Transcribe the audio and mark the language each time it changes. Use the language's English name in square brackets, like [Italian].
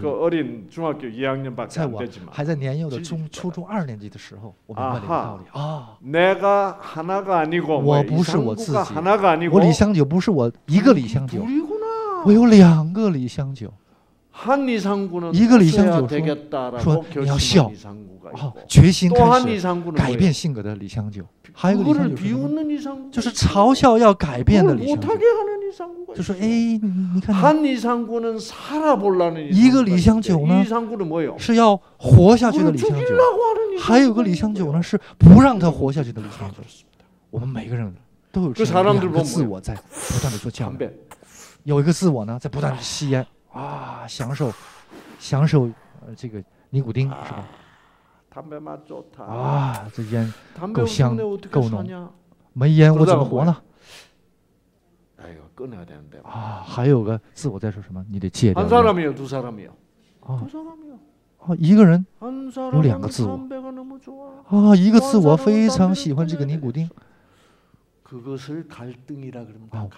[Korean] 그어린중학교2학년밖에안되지만 [Chinese] 还在年幼的初中二年级的时候我明白了一个道理아 [Korean] 내가하나가아니고 [Chinese] 我不是我自己 [Korean] 하나가아니고 [Chinese] 我李香九不是我一个李香九我有两个李香九 [Korean] 한이상구는 [Chinese] 一个李香九 说你要笑啊，决心开始改变性格的李香九，还有一个李香九就是嘲笑要改变的李香九，就说哎，你看 [Korean] 한이상구는살아볼라는 [Chinese] 一个李香九呢， [Korean] 이상구는뭐요 [Chinese] 是要活下去的李香九，还有个李香九呢是不让他活下去的李香九。我们每个人都有这两个自我在不断的做较量，有一个自我呢在不断的吸烟。 아享受享受这个尼古丁是吧 [Korean] 담배맛좋다 [Chinese] 아这烟够香够浓没烟我怎么活呢哎呦 [Korean] 끊어야되는데 [Chinese] 아还有个自我在说什么你得戒掉 [Korean] 한사람이요두사람이요 [Chinese] 아一个人有两个自我아一个自我非常喜欢这个尼古丁 [Korean] 그것을갈등이라그럽니다